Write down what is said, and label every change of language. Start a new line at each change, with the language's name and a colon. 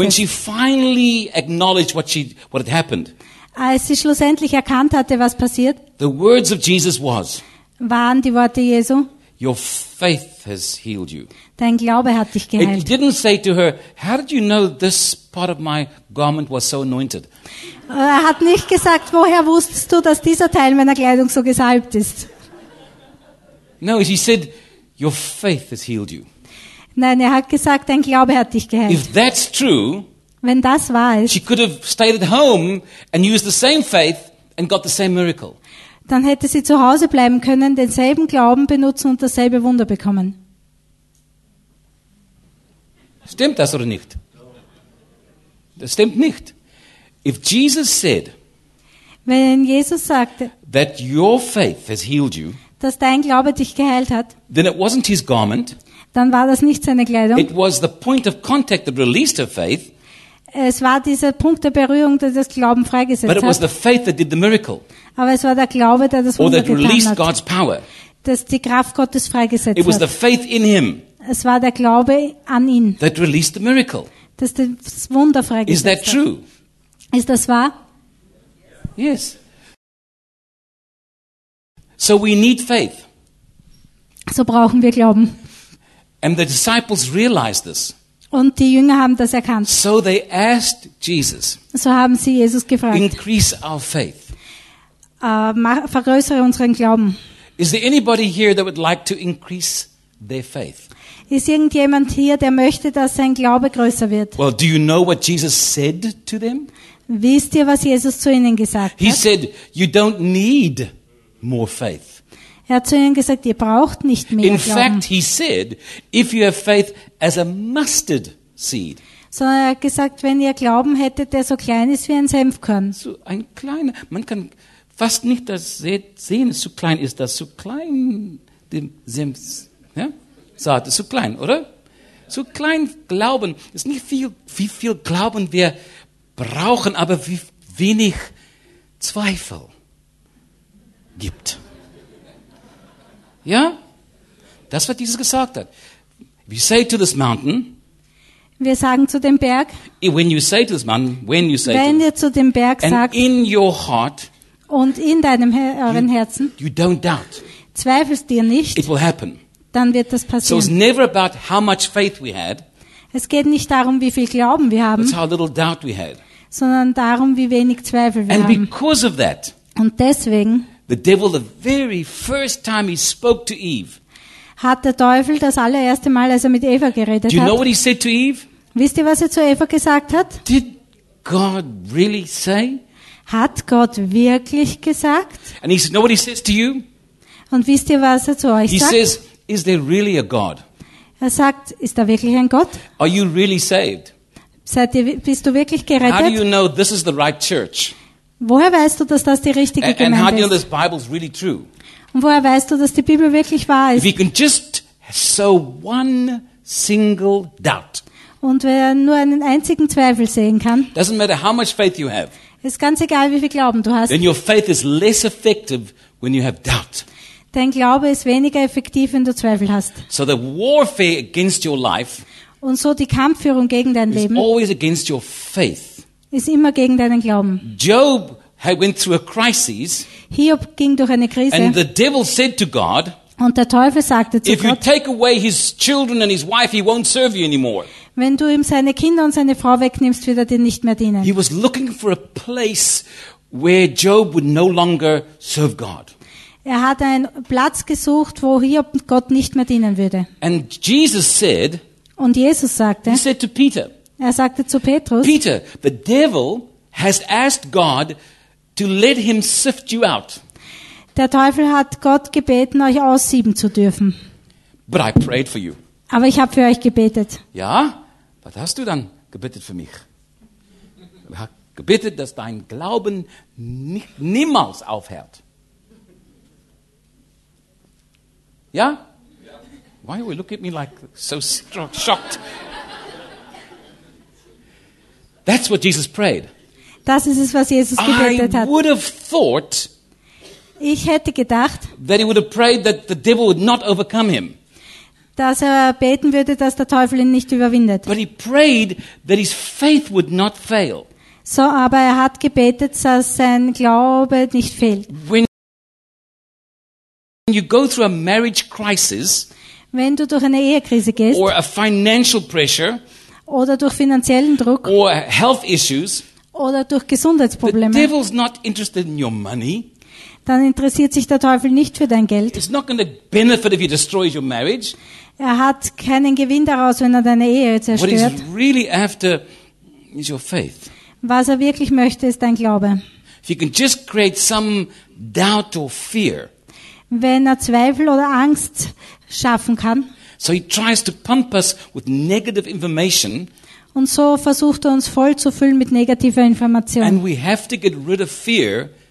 English: When she finally acknowledged what had happened.
German: Als sie schlussendlich erkannt hatte, was passiert.
English: The words of Jesus was.
German: Waren die Worte Jesu.
English: Your faith has healed you.
German: Dein Glaube hat dich geheilt.
English: It didn't say to her, how did you know this part of my garment was so anointed?
German: Er hat nicht gesagt, woher wusstest du, dass dieser Teil meiner Kleidung so gesalbt ist?
English: No, he said, your faith has healed you.
German: Nein, er hat gesagt, dein Glaube hat dich geheilt.
English: If that's true,
German: wenn das wahr ist,
English: she could have stayed at home and used the same faith and got the same miracle.
German: Dann hätte sie zu Hause bleiben können, denselben Glauben benutzen und dasselbe Wunder bekommen. Stimmt das oder nicht? Das stimmt nicht.
English: If Jesus said,
German: wenn Jesus sagte,
English: that your faith has healed you,
German: dass dein Glaube dich geheilt hat.
English: Then it wasn't his garment.
German: Dann war das nicht seine Kleidung.
English: It was the point of contact that released her faith.
German: Es war dieser Punkt der Berührung, der das Glauben freigesetzt hat.
English: But it was the faith that did the miracle.
German: Aber es war der Glaube, der das Wunder getan hat.
English: Or that released God's power.
German: Dass die Kraft Gottes freigesetzt hat.
English: It was the faith in him.
German: Es war der Glaube an ihn.
English: That released the miracle.
German: Dass das Wunder freigesetzt hat.
English: Is that true?
German: Ist das wahr?
English: Yes. So we need faith.
German: So brauchen wir Glauben.
English: And the disciples realized this.
German: Und die Jünger haben das erkannt.
English: So they asked Jesus.
German: So haben sie Jesus gefragt.
English: Increase our faith.
German: Vergrößere unseren Glauben.
English: Is there anybody here that would like to increase their faith?
German: Ist irgendjemand hier, der möchte, dass sein Glaube größer wird?
English: Well, do you know what Jesus said to them?
German: Wisst ihr, was Jesus zu ihnen gesagt hat?
English: He said, you don't need more faith.
German: Er hat zu ihnen gesagt, ihr braucht nicht mehr
English: In
German: Glauben.
English: Fact, he said, if you have faith as a mustard seed.
German: Sondern er hat gesagt, wenn ihr Glauben hättet, der so klein ist wie ein Senfkorn. So ein kleiner, man kann fast nicht das sehen, so klein ist das, so klein, dem Senf, ja? Saat ist so klein, oder? So klein Glauben, ist nicht viel, wie viel Glauben wir brauchen, aber wie wenig Zweifel gibt. Ja? Das, was Jesus gesagt hat.
English: We say to this mountain,
German: wir sagen zu dem Berg,
English: when you say to this mountain, when you say
German: wenn ihr zu dem Berg
English: and
German: sagt,
English: in your heart,
German: und in deinem euren Herzen,
English: you don't doubt,
German: zweifelst ihr nicht,
English: it will happen.
German: Dann wird das passieren.
English: So it's never about how much faith we had,
German: es geht nicht darum, wie viel Glauben wir haben,
English: but how little doubt we had.
German: Sondern darum, wie wenig Zweifel wir
English: and
German: haben.
English: Because of that,
German: und deswegen,
English: the devil, the very first time he spoke to Eve,
German: hat der Teufel das allererste Mal, als er mit Eva geredet hat.
English: Do you know what he said to Eve?
German: Wisst ihr, was er zu Eva gesagt hat?
English: Did God really say?
German: Hat Gott wirklich gesagt?
English: And he said, know what he says to you?
German: Und wisst ihr, was er zu euch
English: he
German: sagt?
English: Says, is there really a God?
German: Er sagt, ist da wirklich ein Gott?
English: Are you really saved?
German: Bist du wirklich gerettet?
English: How do you know this is the right church?
German: Woher weißt du, dass das die richtige Gemeinde ist?
English: And how do you know this Bible is really true?
German: Und woher weißt du, dass die Bibel wirklich wahr ist?
English: If we can just sow one single doubt.
German: Und wer nur einen einzigen Zweifel sehen kann.
English: Doesn't matter how much faith you have.
German: Ist ganz egal, wie viel Glauben du hast.
English: Then your faith is less effective when you have doubt.
German: Dein Glaube ist weniger effektiv, wenn du Zweifel hast.
English: So the warfare against your life.
German: Und so die Kampfführung gegen dein Leben.
English: Is always against your faith.
German: Ist immer gegen deinen Glauben.
English: Job went through a crisis.
German: Hiob ging durch eine Krise.
English: And the devil said to God.
German: Und der Teufel sagte zu Gott.
English: If you take away his children and his wife, he won't serve you anymore.
German: Wenn du ihm seine Kinder und seine Frau wegnimmst, wird er dir nicht mehr dienen.
English: He was looking for a place where Job would no longer serve God.
German: Er hat einen Platz gesucht, wo Hiob Gott nicht mehr dienen würde.
English: And Jesus said.
German: Und Jesus sagte.
English: He said to Peter.
German: Er sagte zu Petrus.
English: Peter, the devil has asked God to let him sift you out.
German: Der Teufel hat Gott gebeten, euch aussieben zu dürfen.
English: But I prayed for you.
German: Aber ich habe für euch gebetet. Ja? Was hast du dann gebetet für mich? Ich habe gebetet, dass dein Glauben niemals aufhört. Ja?
English: Why are you looking at me like so shocked? That's what Jesus prayed.
German: Das ist es, was Jesus gebetet hat.
English: I would have thought,
German: ich hätte gedacht,
English: that he would have prayed that the devil would not overcome him.
German: Dass er beten würde, dass der Teufel ihn nicht überwindet.
English: But he prayed that his faith would not fail.
German: So, aber er hat gebetet, dass sein Glaube nicht fehlt.
English: When you go through a marriage crisis,
German: wenn du durch eine Ehekrise gehst,
English: or a financial pressure,
German: oder durch finanziellen Druck,
English: or health issues,
German: oder durch Gesundheitsprobleme.
English: The devil's not interested in your money.
German: Dann interessiert sich der Teufel nicht für dein Geld.
English: It's not going to benefit if you destroy your marriage.
German: Er hat keinen Gewinn daraus, wenn er deine Ehe zerstört.
English: What he's really after is your faith.
German: Was er wirklich möchte, ist dein Glaube.
English: If you can just create some doubt or fear.
German: Wenn er Zweifel oder Angst schaffen kann.
English: So he tries to pump us with negative information.
German: Und so versucht er uns voll zu füllen mit negativer Information.
English: And we have to get rid of fear